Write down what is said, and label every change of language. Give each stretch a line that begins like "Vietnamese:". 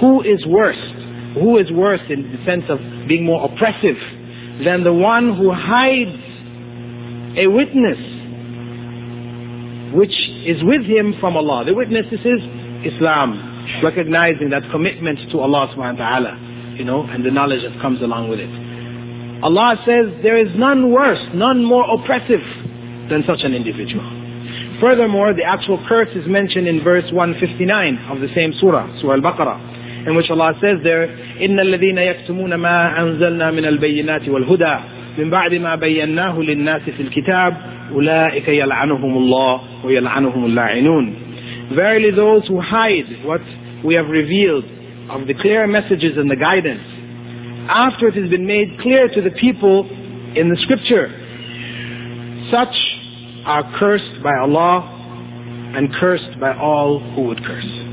English: Who is worse in the sense of being more oppressive than the one who hides a witness which is with him from Allah? The witness, this is Islam, recognizing that commitment to Allah subhanahu wa ta'ala, you know, and the knowledge that comes along with it. Allah says there is none worse, none more oppressive than such an individual. Furthermore, the actual curse is mentioned in verse 159 of the same surah Al-Baqarah, in which Allah says there,
Arabic: إِنَّ الَّذِينَ يَكْتُمُونَ مَا أَنزَلْنَا مِنَ الْبَيِّنَاتِ وَالْهُدَىٰ مِنْ بَعْدِ مَا بَيَّنَّاهُ لِلنَّاسِ فِي الْكِتَابِ أُولَٰئِكَ يَلْعَنُهُمُ اللَّهُ وَيَلْعَنُهُمُ اللَّاعِنُونَ.
English: Verily those who hide what we have revealed of the clear messages and the guidance, after it has been made clear to the people in the scripture, such are cursed by Allah and cursed by all who would curse.